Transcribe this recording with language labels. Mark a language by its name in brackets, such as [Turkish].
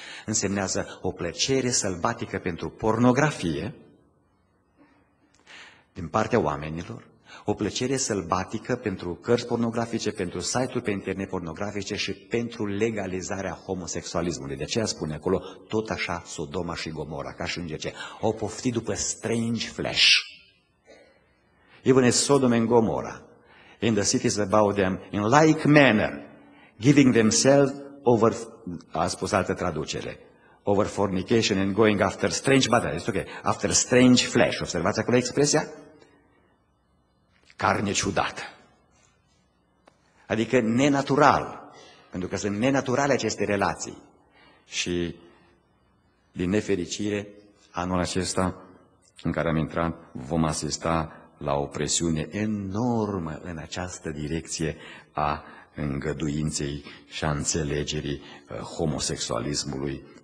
[Romanian] Însemnează o plăcere sălbatică pentru pornografie din partea oamenilor, o plăcere sălbatică pentru cărți pornografice, pentru site-uri pe internet pornografice și pentru legalizarea homosexualismului. De aceea spune acolo, tot așa Sodoma și Gomora, ca și îngerce, au poftit după [English] strange flesh. Even as Sodom and Gomorrah, in the cities about them, in like manner, giving themselves over, [Romanian] a spus altă traducere, [English] over fornication and going after strange battle, okay, after strange flesh. [Romanian] Observați acolo expresia? Carne ciudată, adică nenatural, pentru că sunt nenaturale aceste relații și, din nefericire, anul acesta în care am intrat, vom asista la o presiune enormă în această direcție a îngăduinței și a înțelegerii homosexualismului.